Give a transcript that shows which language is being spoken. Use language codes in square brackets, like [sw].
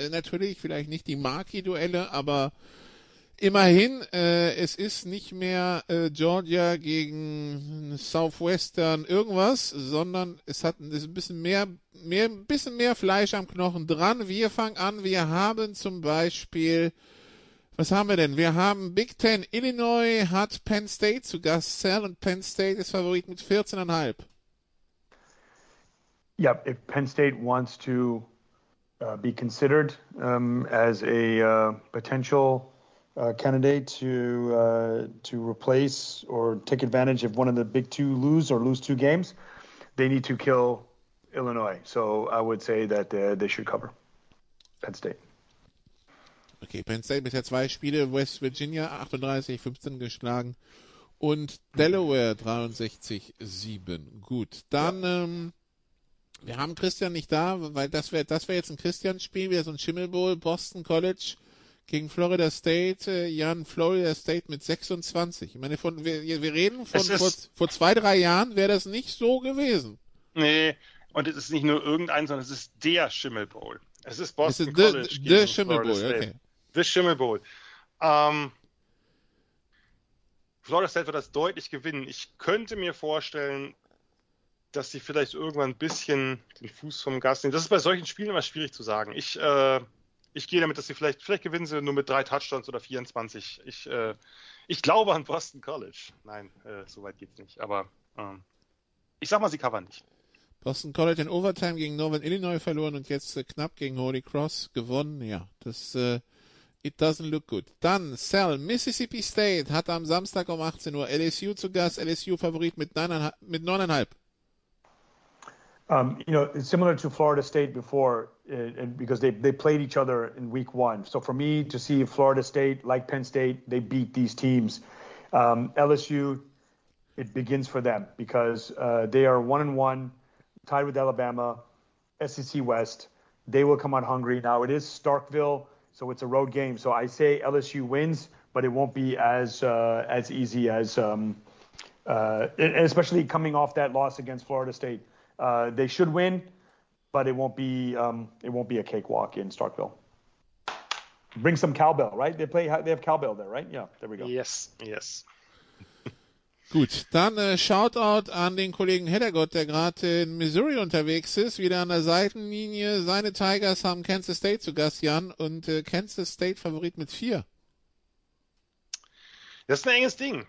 [de] Natürlich vielleicht nicht die Marquee-Duelle, aber immerhin, es ist nicht mehr Georgia gegen Southwestern irgendwas, sondern es hat ein bisschen mehr Fleisch am Knochen dran. Wir fangen an, wir haben zum Beispiel, was haben wir denn? Wir haben Big Ten, Illinois hat Penn State zu Gast, Sal, und Penn State ist Favorit mit 14,5. [en] Ja, if Penn State wants to be considered as a potential candidate to replace or take advantage of one of the Big Two lose or lose two games, they need to kill Illinois. So I would say that they should cover Penn State. [de] Okay, Penn State bisher zwei Spiele, West Virginia 38-15 geschlagen und Delaware 63-7. Gut, dann ja. Wir haben Christian nicht da, weil das wäre jetzt ein Christian-Spiel, wieder so ein Schimmelbowl, Boston College gegen Florida State, Jan, Florida State mit 26. Ich meine, wir reden von vor zwei, drei Jahren wäre das nicht so gewesen. Nee, und es ist nicht nur irgendein, sondern es ist der Schimmelbowl. Es ist Boston College. Der Schimmelbowl, okay. Der Schimmelbowl. Florida State wird das deutlich gewinnen. Ich könnte mir vorstellen, dass sie vielleicht irgendwann ein bisschen den Fuß vom Gas nehmen. Das ist bei solchen Spielen immer schwierig zu sagen. Ich gehe damit, dass sie vielleicht gewinnen sie nur mit 3 Touchdowns oder 24. Ich glaube an Boston College. Nein, so weit geht's nicht. Aber ich sag mal, sie covern nicht. Boston College in Overtime gegen Northern Illinois verloren und jetzt knapp gegen Holy Cross gewonnen. Ja, das [en] it doesn't look good. [de] Dann Sal, Mississippi State hat am Samstag um 18 Uhr LSU zu Gast. LSU Favorit mit 9,5. [en] You know, it's similar to Florida State before, and because they played each other in week one. So for me to see Florida State, like Penn State, they beat these teams. LSU, it begins for them because they are 1-1, tied with Alabama, SEC West. They will come out hungry. Now it is Starkville, so it's a road game. So I say LSU wins, but it won't be as easy as, especially coming off that loss against Florida State. They should win, but it won't be a cakewalk in Starkville. Bring some cowbell, right? They have cowbell there, right? Yeah, there we go. Yes. [de] Gut, dann Shoutout an den Kollegen Heddergott, der gerade in Missouri unterwegs ist, wieder an der Seitenlinie. Seine Tigers haben Kansas State zu Gast, Jan, und Kansas State Favorit mit 4. Das ist ein enges Ding.